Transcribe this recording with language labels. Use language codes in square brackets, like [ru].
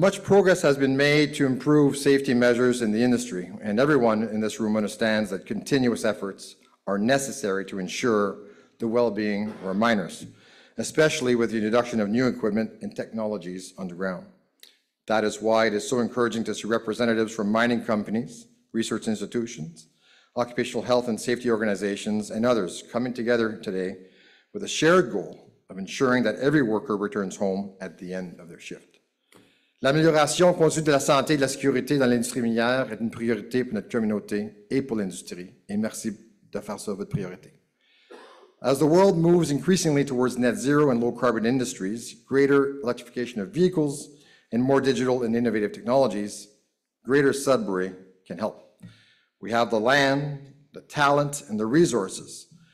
[en] Much progress has been made to improve safety measures in the industry, and everyone in this room understands that continuous efforts are necessary to ensure the well-being of our miners, especially with the introduction of new equipment and technologies underground. That is why it is so encouraging to see representatives from mining companies, research institutions, occupational health and safety organizations, and others coming together today with a shared goal of ensuring that every worker returns home at the end of their shift. [fr] L'amélioration continue de la santé et de la sécurité dans l'industrie minière est une priorité pour notre communauté et pour l'industrie. Et merci de faire ça votre priorité. [en] As the world moves increasingly towards net zero and low carbon industries, greater electrification of vehicles, and more digital and innovative technologies, Greater Sudbury can help. We have the land, the talent, and the resources.